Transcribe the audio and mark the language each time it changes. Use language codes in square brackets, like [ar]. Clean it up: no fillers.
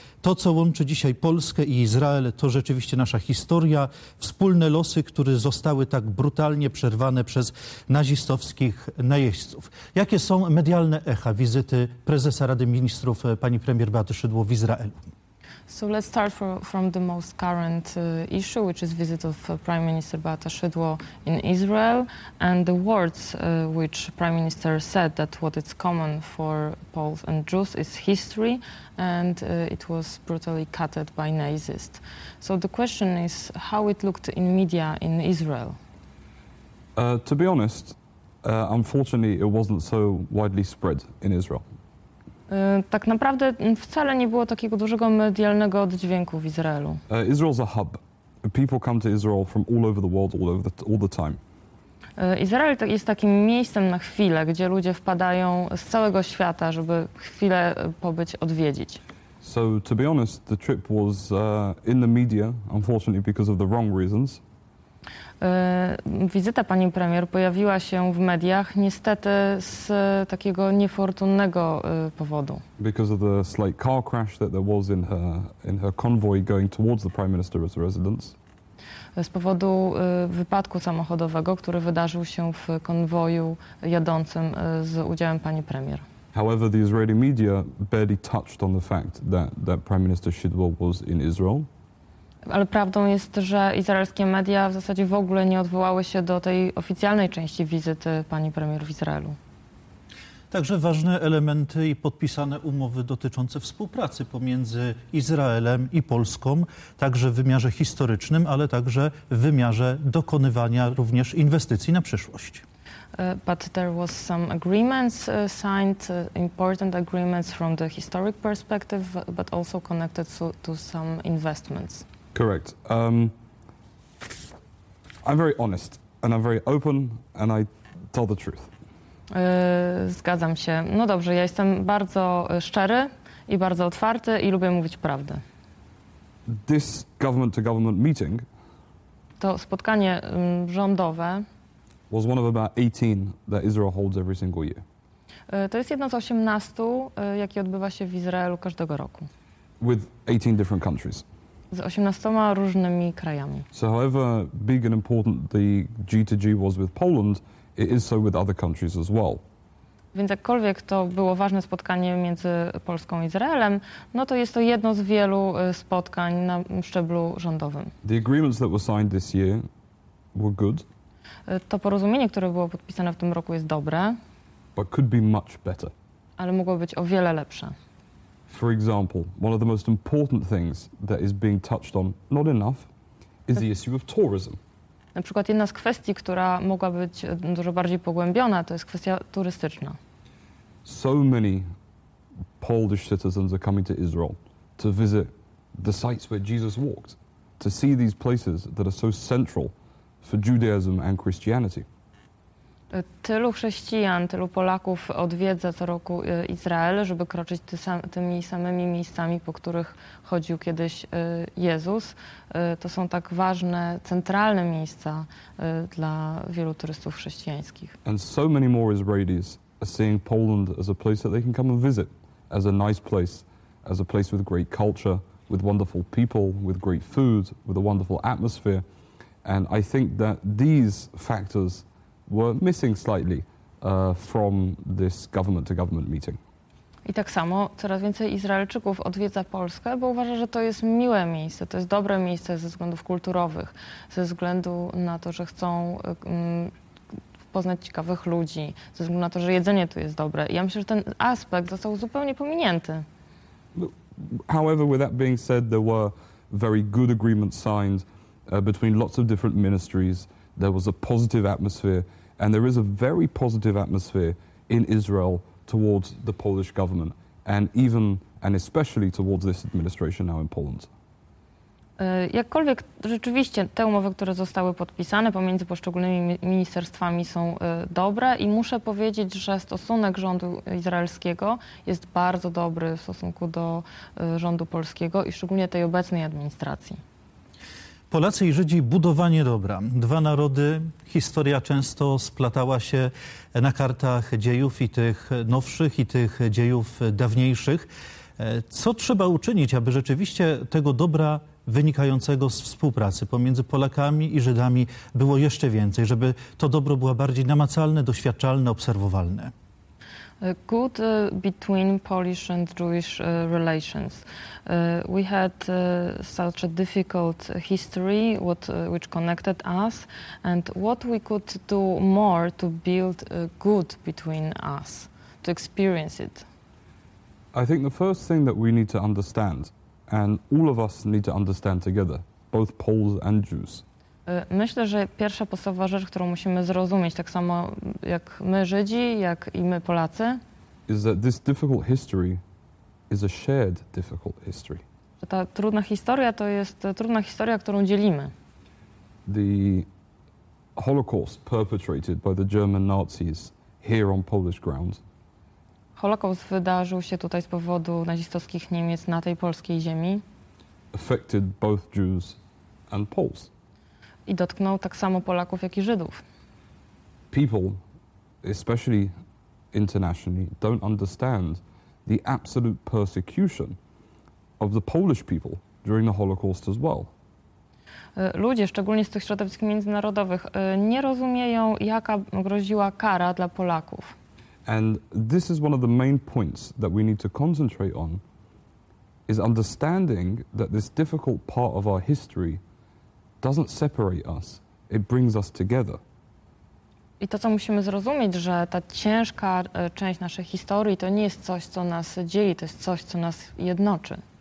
[pl] To, co łączy dzisiaj Polskę i Izrael, to rzeczywiście nasza historia, wspólne losy, które zostały tak brutalnie przerwane przez nazistowskich najeźdźców. Jakie są medialne echa wizyty prezesa Rady Ministrów, pani premier Beaty Szydło w Izraelu? [en] So let's start from the most current issue, which is visit of Prime Minister Beata Szydło in Israel, and the words which Prime Minister said, that what is common for Poles and Jews is history, and it was brutally cutted by Nazists. So the question is how it looked in media in Israel. To be honest, unfortunately it wasn't so widely spread in Israel. [pl] Tak naprawdę wcale nie było takiego dużego medialnego oddźwięku w Izraelu. [en] Israel's a hub. People come to Israel from all over the world, all the time. [pl] Izrael jest takim miejscem na chwilę, gdzie ludzie wpadają z całego świata, żeby chwilę pobyć, odwiedzić. [en] So to be honest, the trip was in the media, unfortunately because of the wrong reasons. [pl] Wizyta pani premier pojawiła się w mediach niestety z takiego niefortunnego powodu. [en] Because of the slight car crash that there was in her convoy going towards the prime minister's residence. [pl] Z powodu wypadku samochodowego, który wydarzył się w konwoju jadącym z udziałem pani premier. [en] However, the Israeli media barely touched on the fact that Prime Minister Shidwell was in Israel. [pl] Ale prawdą jest, że izraelskie media w zasadzie w ogóle nie odwołały się do tej oficjalnej części wizyty pani premier w Izraelu. Także ważne elementy i podpisane umowy dotyczące współpracy pomiędzy Izraelem i Polską, także w wymiarze historycznym, ale także w wymiarze dokonywania również inwestycji na przyszłość. [en] But there was some agreements signed, important agreements from the historic perspective, but also connected to some investments. Correct. I'm very honest and I'm very open and I tell the truth. [pl] Zgadzam się. No dobrze, ja jestem bardzo szczery i bardzo otwarty i lubię mówić prawdę. [en] This government-to-government meeting. [pl] To spotkanie rządowe. [en] Was one of about 18 that Israel holds every single year. [pl] To jest jedno z 18, jakie odbywa się w Izraelu każdego roku. [en] With 18 different countries. [pl] Z 18 różnymi krajami. [en] So however big and important the G2G was with Poland, it is so with other countries as well. [pl] Więc jakkolwiek to było ważne spotkanie między Polską i Izraelem, no to jest to jedno z wielu spotkań na szczeblu rządowym. [en] The agreements that were signed this year were good. [pl] To porozumienie, które było podpisane w tym roku, jest dobre. [en] But could be much better. [pl] Ale mogło być o wiele lepsze. [en] For example, one of the most important things that is being touched on, not enough, is the issue of tourism. [pl] Na przykład jedna z kwestii, która mogła być dużo bardziej pogłębiona, to jest kwestia turystyczna. [en] So many Polish citizens are coming to Israel to visit the sites where Jesus walked, to see these places that are so central for Judaism and Christianity. [pl] Tylu chrześcijan, tylu Polaków odwiedza co roku Izrael, żeby kroczyć tymi samymi miejscami, po których chodził kiedyś Jezus. To są tak ważne, centralne miejsca dla wielu turystów chrześcijańskich. [en] And so many more Israelis are seeing Poland as a place that they can come and visit, as a nice place, as a place with great culture, with wonderful people, with great food, with a wonderful atmosphere. And I think that these factors were missing slightly from this government-to-government meeting. [pl] I tak samo coraz więcej Izraelczyków odwiedza Polskę, bo uważa, że to jest miłe miejsce, to jest dobre miejsce ze względów kulturowych, ze względu na to, że chcą poznać ciekawych ludzi, ze względu na to, że jedzenie tu jest dobre. I ja myślę, że ten aspekt został zupełnie pominięty. [en] However, with that being said, there were very good agreements signed between lots of different ministries. There was a positive atmosphere, and there is a very positive atmosphere in Israel towards the Polish government, and even and especially towards this administration now in Poland. [pl] Jakkolwiek rzeczywiście te umowy, które zostały podpisane pomiędzy poszczególnymi ministerstwami są dobre i muszę powiedzieć, że stosunek rządu izraelskiego jest bardzo dobry w stosunku do rządu polskiego i szczególnie tej obecnej administracji. Polacy i Żydzi, budowanie dobra. Dwa narody, historia często splatała się na kartach dziejów i tych nowszych, i tych dziejów dawniejszych. Co trzeba uczynić, aby rzeczywiście tego dobra wynikającego z współpracy pomiędzy Polakami i Żydami było jeszcze więcej, żeby to dobro było bardziej namacalne, doświadczalne, obserwowalne? [en] Good between Polish and Jewish relations. We had such a difficult history which connected us, and what we could do more to build good between us, to experience it. I think the first thing that we need to understand, and all of us need to understand together, both Poles and Jews. [pl] Myślę, że pierwsza podstawowa rzecz, którą musimy zrozumieć, tak samo jak my Żydzi, jak i my Polacy, [en] is that this difficult history is a shared difficult history. [pl] Że ta trudna historia to jest trudna historia, którą dzielimy. [en] The Holocaust perpetrated by the German Nazis here on Polish ground. [pl] Holokaust wydarzył się tutaj z powodu nazistowskich Niemiec na tej polskiej ziemi. [en] Affected both Jews and Poles. [pl] I dotknął tak samo Polaków, jak i Żydów. [en] People, especially internationally, don't understand the absolute persecution of the Polish people during the Holocaust as well. [pl] Ludzie, szczególnie z tych środowisk międzynarodowych, nie rozumieją, jaka groziła kara dla Polaków. [en] And this is one of the main points that we need to concentrate on, is understanding that this difficult part of our history doesn't separate us, it brings us together. [pl] I to, co musimy zrozumieć, że ta ciężka część naszej historii to nie jest coś, co nas dzieli, to jest coś, co nas jednoczy.